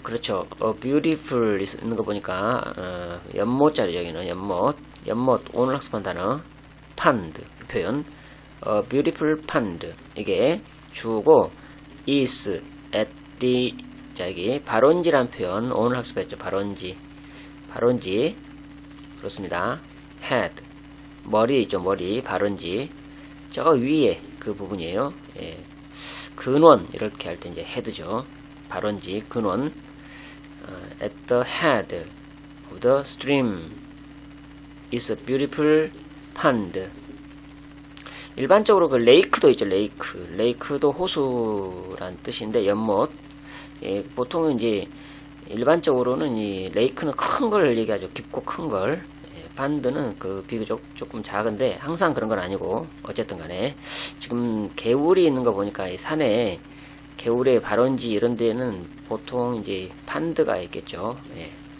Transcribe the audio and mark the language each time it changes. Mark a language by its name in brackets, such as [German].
[Korean] 그렇죠. [English] A beautiful [Korean] 있는 거 보니까 연못 자리 여기는 연못 연못 오늘 학습한 단어 pond 표현 [English] A beautiful pond [Korean] 이게 주어고 [English] is at the [Korean] 자 여기 발원지란 표현 오늘 학습했죠. 발원지 그렇습니다. head 머리 있죠. 머리 발원지 저 위에 그 부분이에요. 예. 근원 이렇게 할 때 이제 head죠. 발원지 근원 [English] at the head of the stream is a beautiful pond. [Korean] 일반적으로 그 레이크도 있죠. 레이크도 호수란 뜻인데 연못 예, 보통은 이제 일반적으로는 이 레이크는 큰 걸 얘기하죠. 깊고 큰 걸 반드는 그 비교적 조금 작은데 항상 그런 건 아니고 어쨌든 간에 지금 개울이 있는 거 보니까 이 산에 개울의 발원지 이런 데는 보통 이제 판드가 있겠죠. 예.